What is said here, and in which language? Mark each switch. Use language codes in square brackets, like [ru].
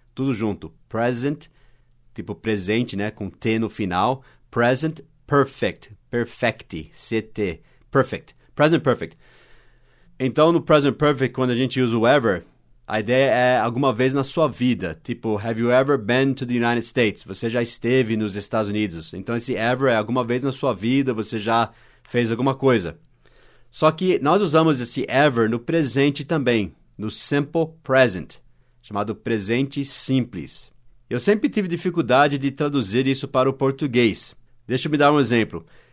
[pt] Tudo junto, present, tipo presente, né, com T no final. Present Perfect, perfecti, C-T, perfect, Present Perfect. Então, no present perfect, quando a gente usa o ever, a ideia é alguma vez na sua vida. Tipo, [en] have you ever been to the United States? [pt] Você já esteve nos Estados Unidos. Então, esse ever é alguma vez na sua vida, você já fez alguma coisa. Só que nós usamos esse ever no presente também, no simple present, chamado presente simples. Eu sempre tive dificuldade de traduzir isso para o português. Deixa eu me dar um exemplo.